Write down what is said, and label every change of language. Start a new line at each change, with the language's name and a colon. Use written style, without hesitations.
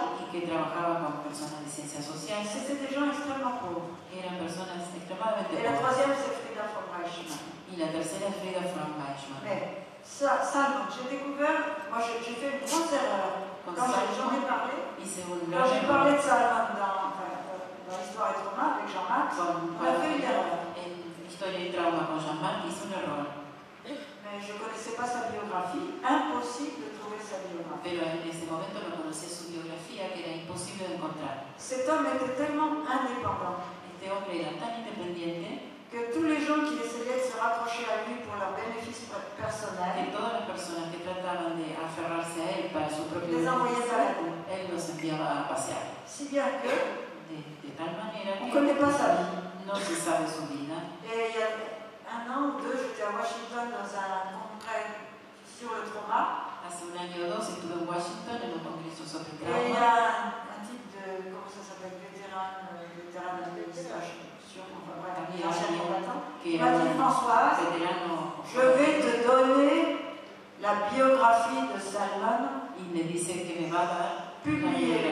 Spanish: que trabajaban con personas de ciencias sociales.
French: C'était des gens extrêmement pauvres.
Spanish: Eran personas extremadamente pauvres.
French: Et la troisième, c'est Frida von Reichmann.
Spanish: Y la tercera, Frida von Reichmann.
French: Mais ça, j'ai découvert, moi j'ai fait une grosse erreur. Quand j'en ai parlé, quand j'ai parlé de ça dans l'histoire et trauma avec Jean-Marc, on a fait une erreur. Mais je ne connaissais pas sa biographie, impossible de trouver sa biographie.
Spanish: Pero en ese momento no conocía su biografía, que era imposible de encontrar.
French: Cet homme était tellement indépendant.
Spanish: Este hombre era tan independiente
French: que tous les gens qui essayaient de se rapprocher à lui pour leur bénéfice personnel,
Spanish: que todas las personas que trataban de aferrarse a él para su propio bienestar, él los enviaba a pasear.
French: Si bien que,
Spanish: de tal manera
French: que, on connaît pas sa vie.
Spanish: No se sabe su vida.
French: Un an ou deux, j'étais à Washington dans un congrès sur le trauma.
Spanish: Hace un año o dos estuve en Washington en un congreso sobre trauma.
French: Et il y a un type de, comment ça s'appelle, vétéran de l'administration, enfin bref, ouais, ancien combattant. Il m'a dit, Françoise, je vais te donner la biographie de Salman.
Spanish: Il me dice que me va dar
French: publié